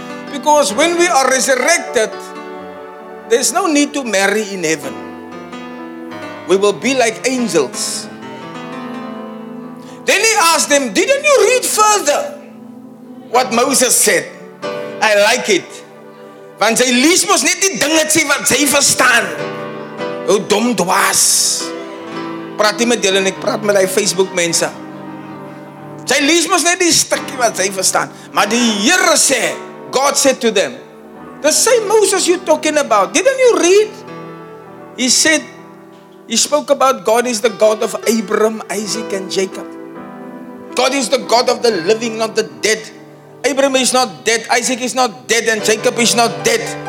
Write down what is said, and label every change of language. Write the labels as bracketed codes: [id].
[en] Because when we are resurrected, there's no need to marry in heaven. We will be like angels. Then he asked them, didn't you read further what Moses said? I like it. [af] Want jy lees mos net die dingetjie wat jy verstaan. Hoe dom dwaas. Praat nie met julle en ek praat met die Facebook mense. Jy lees mos net die stukkie wat jy verstaan. Maar die Here sê, [en] God said to them, the same Moses you're talking about, didn't you read? He said, he spoke about God is the God of Abraham, Isaac, and Jacob. God is the God of the living, not the dead. Abraham is not dead, Isaac is not dead, and Jacob is not dead.